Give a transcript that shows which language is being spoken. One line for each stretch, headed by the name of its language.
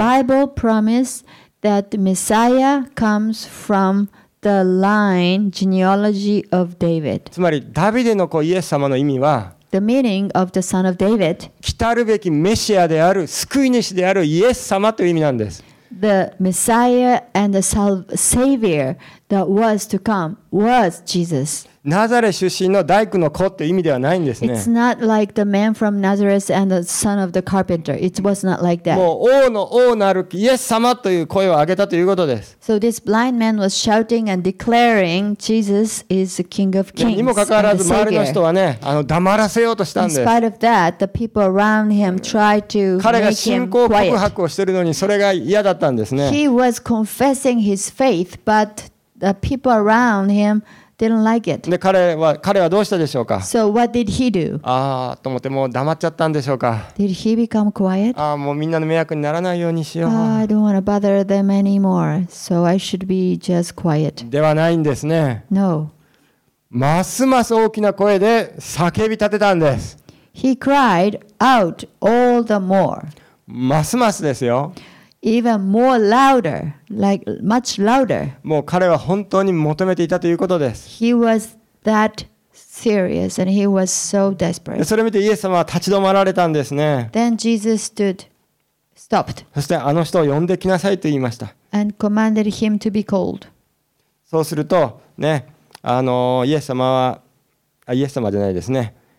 English: The Bible promised that Messiah comes from the line genealogy of David.
Japanese: つまりダビデの子イエス様の意味は
English: The meaning of the son of David.
Japanese: 来たるべきメシアである救い主であるイエス様という意味なんです。
English: The Messiah and the Savior that was to come was Jesus.
Japanese: ナザレ出身の大工の子という意味ではないんですね。
English: It's not like the man from Nazareth and the son of the carpenter. It was not like that.
Japanese: もう王の王なるイエス様という声を上げたということです。
English: So this blind man was shouting and declaring, Jesus is the King of Kings.
Japanese: にもかかわらず周りの人はね、黙らせようとしたんです。
English: In spite of that, the people around him tried to make him quiet.
Japanese: 彼が信仰告白をしているのにそれが嫌だったんですね。
English: He was confessing his faith, but the people around him didn't like it.
Japanese: で彼はどうしたでしょうか。
English: So what did he do?
Japanese: ああと思ってもう黙っちゃったんでしょうか。
English: Did he become quiet?
Japanese: ああもうみんなの迷惑にならないようにしよう。
English: I don't want to bother them anymore, so I should be just quiet.
Japanese: ではないんですね。
English: No.
Japanese: ますます大きな声で叫び立てたんです。
English: He cried out all the more.
Japanese: ますますですよ。
English: Even more louder, like much louder.
Japanese: もう彼は本当に求めていたということです。
English: He was that serious and he was so desperate.
Japanese: それを見てイエス様は立ち止まられたんですね。
English: Then Jesus stopped.
Japanese: そしてあの人を呼んできなさいと言いました。
English: And commanded him to be called.
Japanese: そうするとね、イエス様は、イエス様じゃないですね。